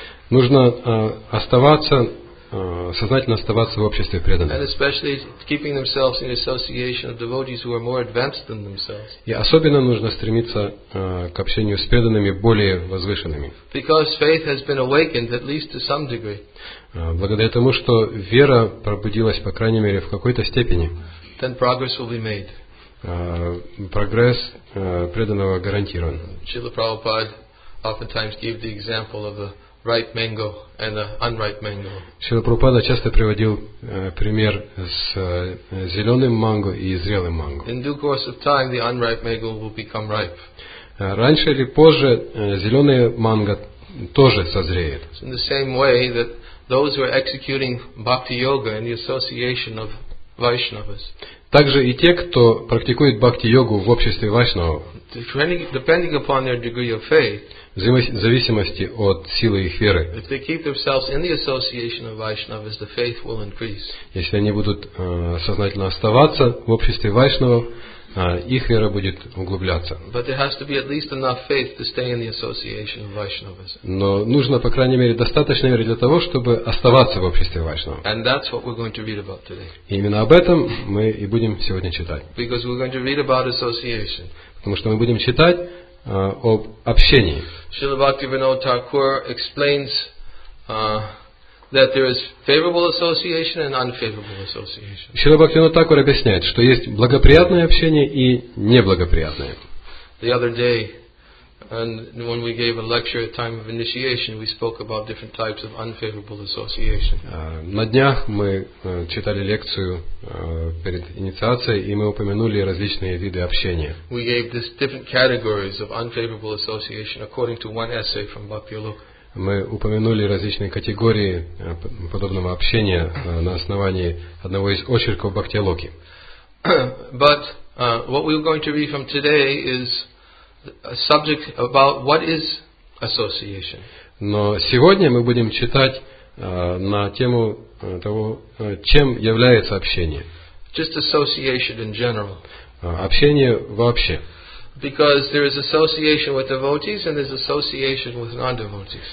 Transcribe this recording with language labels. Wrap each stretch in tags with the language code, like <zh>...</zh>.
<ru>Нужно оставаться, сознательно оставаться в обществе преданных. И особенно нужно стремиться к общению с преданными более возвышенными.</ru> <en>Because faith has been awakened at least to some degree.</en> <ru>Благодаря тому, что вера пробудилась, по крайней мере, в какой-то степени.</ru> <en>Then progress will be made.</en> <ru>Прогресс преданного гарантирован.</ru> <en>Шрила Прабхупада oftentimes gave the example of the ripe mango and the unripe mango.</en> <ru>Шрила Прабхупада часто приводил пример с зеленым манго и зрелым манго.</ru> <en>In due course of time, the unripe mango will become ripe.</en> <ru>Раньше или позже зеленое манго тоже созреет.</ru> <en>So in the same way that those who are executing bhakti yoga in the association of Vaishnavas.</en> <ru>Также и те, кто практикует бхакти-йогу в обществе вайшнавов.</ru> <en>Depending upon their degree of faith.</en> <ru>В зависимости от силы их веры.</ru> <en>If they keep themselves in the association of Vaishnavas, the faith will increase.</en> <ru>Если они будут сознательно оставаться в обществе вайшнавов, их вера будет углубляться.</ru> <en>But there has to be at least enough faith to stay in the association of Vaishnavas.</en> <ru>Но нужно, по крайней мере, достаточно веры для того, чтобы оставаться в обществе вайшнавов.</ru> <en>And that's what we're going to read about today.</en> <ru>Именно об этом мы и будем сегодня читать.</ru> <en>Because we're going to read about association.</en> <ru>Потому что мы будем читать об общении.</ru> <en>Srila Bhaktivinoda Thakur explains that there is favorable association and unfavorable association.</en> <ru>Шрила Бхактивинода Такур объясняет, что есть благоприятное общение и неблагоприятное.</ru> <en>The other day, and when we gave a lecture at time of initiation, we spoke about different types of unfavorable association.</en> <ru>На днях мы читали лекцию перед инициацией, и мы упомянули различные виды общения.</ru> <en>We gave these different categories of unfavorable association according to one essay from Bhaktivinoda.</en> <ru>Мы упомянули различные категории подобного общения на основании одного из очерков Бхактилоки.</ru> <en>But what we're going to read from today is a subject about what is association.</en> <ru>Но сегодня мы будем читать на тему того, чем является общение.</ru> <en>Just association in general.</en> <ru>Общение вообще.</ru> <en>Because there is association with devotees and there is association with non-devotees.</en>